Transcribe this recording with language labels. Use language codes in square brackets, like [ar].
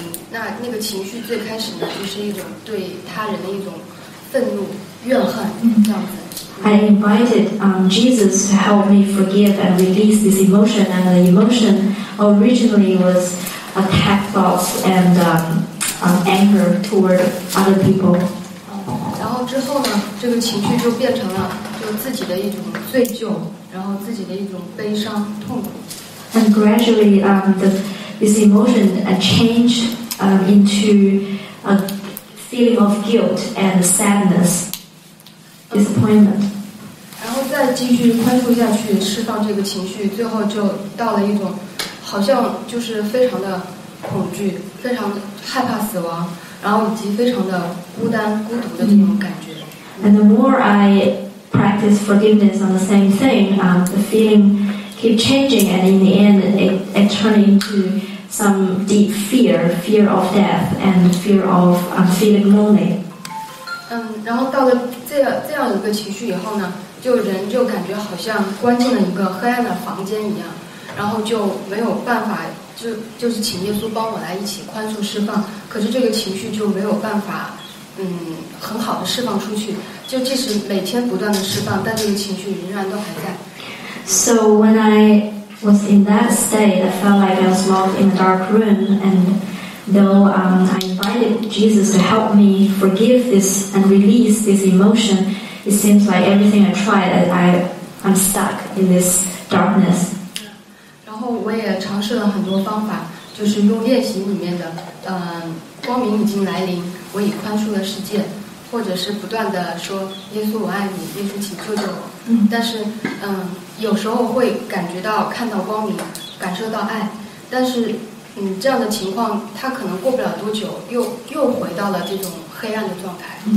[zh] 那个情绪最开始呢，就是一种对他人的一种愤怒、怨恨这样子。 [en] I invited Jesus to help me forgive and release this emotion, and the emotion originally was attack thoughts and anger toward other people. [zh] 然后之后呢，这个情绪就变成了就自己的一种罪疚，然后自己的一种悲伤、痛苦。 [en] And gradually, this emotion changed into a feeling of guilt and sadness, disappointment. [zh] 然后再继续宽恕下去，释放这个情绪，最后就到了一种，好像就是非常的恐惧，非常害怕死亡，然后以及非常的孤单、孤独的这种感觉。 [en] And the more I practice forgiveness on the same thing, the feeling keep changing, and in the end, it turned into some deep fear of death and fear of feeling lonely. [zh] 然后到了这样一个情绪以后呢？就人就感觉好像关进了一个黑暗的房间一样，然后就没有办法，就是请耶稣帮我来一起宽恕释放，可是这个情绪就没有办法，很好的释放出去。就即使每天不断的释放，但这个情绪仍然都还在。 [en] So when I was in that state, I felt like I was locked in a dark room, and though I invited Jesus to help me forgive this and release this emotion. It seems like everything I tried, I'm stuck in this darkness. [zh] 然后我也尝试了很多方法，就是用练习里面的，光明已经来临，我已宽恕了世界，或者是不断的说耶稣我爱你，耶稣请救救我。但是，有时候会感觉到看到光明，感受到爱，但是，这样的情况它可能过不了多久，又回到了这种黑暗的状态。